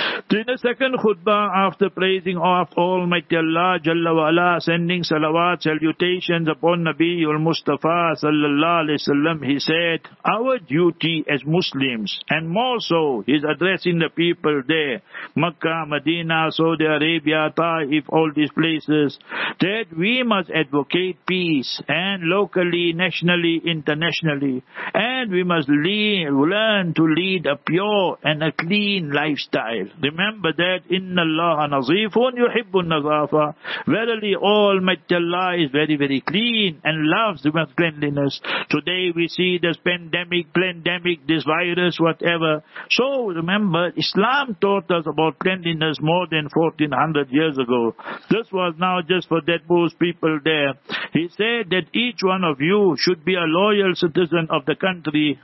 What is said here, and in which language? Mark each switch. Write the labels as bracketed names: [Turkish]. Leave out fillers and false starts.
[English] In the second khutbah, after praising of Almighty Allah Jalla wa Ala, sending salawat, salutations upon Nabiul Mustafa sallallahu alayhi wa sallam, he said, our duty as Muslims, and more so, he's addressing the people there, Makkah, Medina, Saudi Arabia, Taif, all these places, that we must advocate peace, and locally, nationally, internationally, and we must learn to lead a pure and a clean lifestyle. Remember that, [Arabic] إِنَّ اللَّهَ نَظِيفٌ يُحِبُّ النَّظَافَ. [English] Verily, Almighty Allah is very, very clean and loves the cleanliness. Today we see this pandemic, this virus, whatever. So remember, Islam taught us about cleanliness more than 1400 years ago. This was now just for that most people there. He said that each one of you should be a loyal citizen of the country.